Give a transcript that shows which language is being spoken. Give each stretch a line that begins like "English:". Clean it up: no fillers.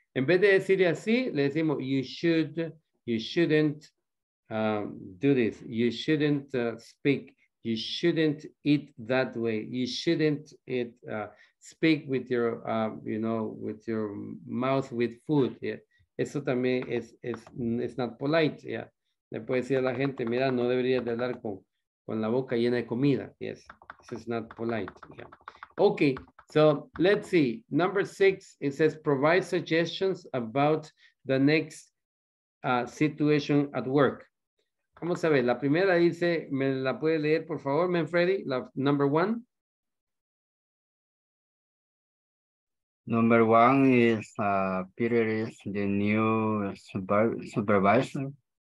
Spanish: En vez de decir así, le decimos,
English: you should, you shouldn't do this. You shouldn't speak. You shouldn't eat that way. You shouldn't eat, speak with your, you know, with your mouth with food. Yeah.
Spanish: Eso también es
English: not polite. Yeah.
Spanish: Le puede decir a la gente, mira, no deberías de hablar con la boca llena de comida.
English: Yes, this is not polite. Yeah. Okay, so let's see. Number six, it says provide suggestions about the next situation at work.
Spanish: Vamos a ver, la primera dice, ¿me la puede leer, por favor, Manfredi?
English: La number one. Number one is Peter is the new supervisor.